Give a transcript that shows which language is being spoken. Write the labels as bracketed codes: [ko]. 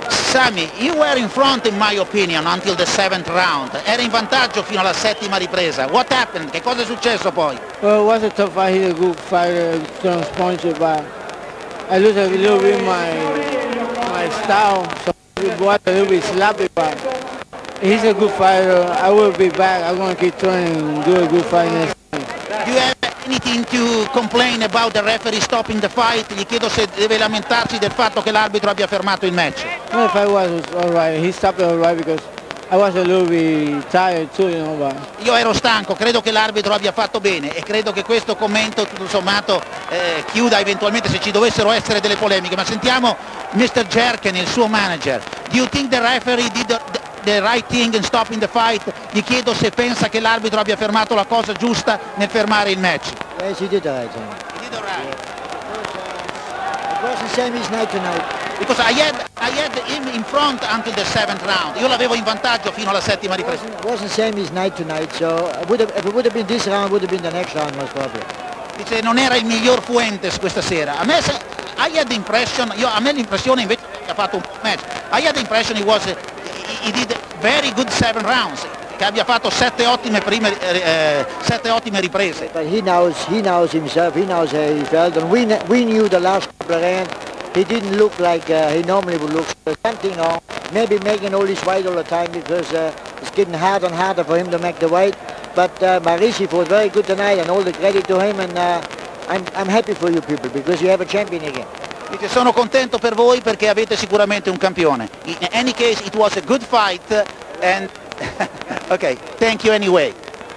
[en] Sammy, you were in front, in my opinion, until the seventh round. [it] Era in vantaggio fino alla settima ripresa. [en] What happened? [it] Che cosa è successo poi? [en] Well, it was a tough fight. He had a good fight, strong sponsor, but I lose a little bit my style. So it was a little bit sloppy, but he's a good fighter. I will be back. I'm going to keep training and do a good fight next time. Do you have anything to complain about the referee stopping the fight? [it] Gli chiedo se deve lamentarsi del fatto che l'arbitro abbia fermato il match. [en] Well, the fight was all right. He stopped it all right because I was a little bit tired too, you know. But... [it] Io ero stanco, credo che l'arbitro abbia fatto bene e credo che questo commento, tutto sommato, chiuda eventualmente se ci dovessero essere delle polemiche. Ma sentiamo Mr. Jerken, il suo manager. [en] Do you think the referee did the right thing in stopping the fight. [it] Gli chiedo se pensa che l'arbitro abbia fermato la cosa giusta nel fermare il match. [en] Yes, he did right. He did right. It was the same as night tonight. Because I had him in front until the seventh round. [it] Io l'avevo in vantaggio fino alla settima ripresa. [en] It was the same as night tonight, so it would have been this round, it would have been the next round most probably. [it] Dice, non era il miglior Fuentes questa sera. A me, l'impressione invece che ha fatto un match. [en] I had the impression he did very good seven rounds, [it] che abbia fatto sette ottime riprese. [en] But he knows himself, he knows how he felt, and we knew the last couple of rounds, he didn't look like he normally would look. Something wrong, maybe making all his weight all the time, because it's getting harder and harder for him to make the weight. But Marisi fought very good tonight, and all the credit to him, and I'm happy for you people, because you have a champion again. [it] Dice, sono contento per voi perché avete sicuramente un campione. [en] In any case, it was a good fight, and... Okay, thank you anyway.